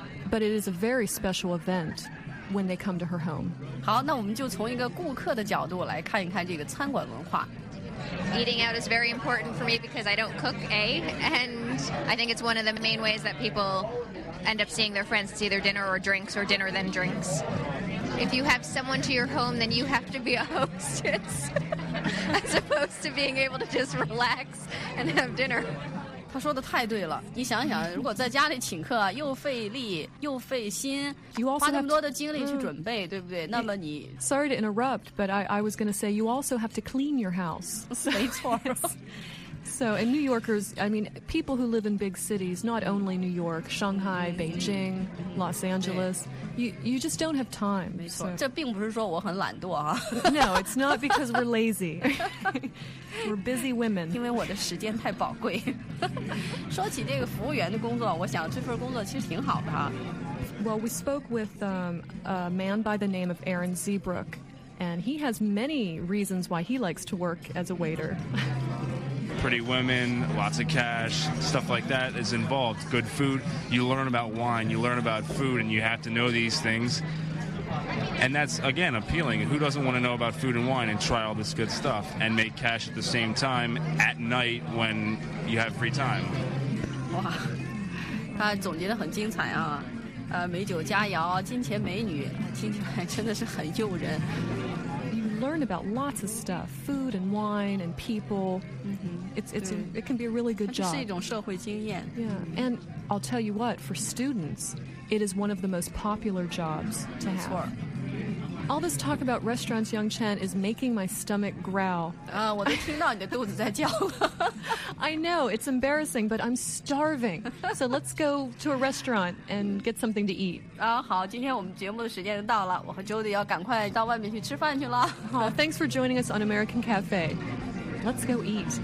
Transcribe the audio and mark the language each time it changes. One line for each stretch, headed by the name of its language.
English: But it is a very special event. When they come to her home.
Chinese: 好，那我们就从一个顾客的角度来看一看这个餐馆文化。
English: Eating out is very important for me because I don't cook, and I think it's one of the main ways that people end up seeing their friends. It's either dinner or drinks, or dinner then drinks. If you have someone to your home, then you have to be a hostess, as opposed to being able to just relax and have dinner.
Chinese: 他说的太对了，你想想，如果在家里请客，又费力又费心，花那么多的精力去准备，对不对？那么你
English: Sorry to interrupt, but I was going to say you also have to clean your house.
Chinese: 没错。
English: So, and New Yorkers, I mean, people who live in big cities, not only New York, Shanghai, Beijing, Los Angeles, you just don't have time.
Chinese: 没错，这并不是说我很懒惰啊。
English: No, it's not because we're lazy. We're busy women.
Chinese: 因为我的时间太宝贵。说起这个服务员的工作，我想这份工作其实挺好的啊。
English: Well, we spoke with a man by the name of Aaron Zeebrook, and he has many reasons why he likes to work as a waiter. Pretty women, lots of cash, stuff like that is involved. Good food. You learn about wine, you learn about food, and you have to know these things. And that's, again, appealing. Who doesn't want to know about food and wine and try all this good stuff and make cash at the same time at night when you have free time?
Chinese: Wow, 他总结得很精彩啊。美酒佳肴，金钱美女，听起来真的是很诱人。
English: Learn about lots of stuff, food and wine and people. Mm-hmm. It can be a really good job.
Chinese: 它是一种社会经验。
English: Yeah, and I'll tell you what, for students, it is one of the most popular jobs to have.
Chinese: 没错。
English: All this talk about restaurants, Yangchen, is making my stomach growl.
Chinese: 我都听到你的肚子在叫了。
English: I know, it's embarrassing, but I'm starving. So let's go to a restaurant and get something to eat.
Chinese: 好，今天我们节目的时间到了，我和 Jody 要赶快到外面去吃饭去了。
English: 好，thanks for joining us on American Cafe. Let's go eat.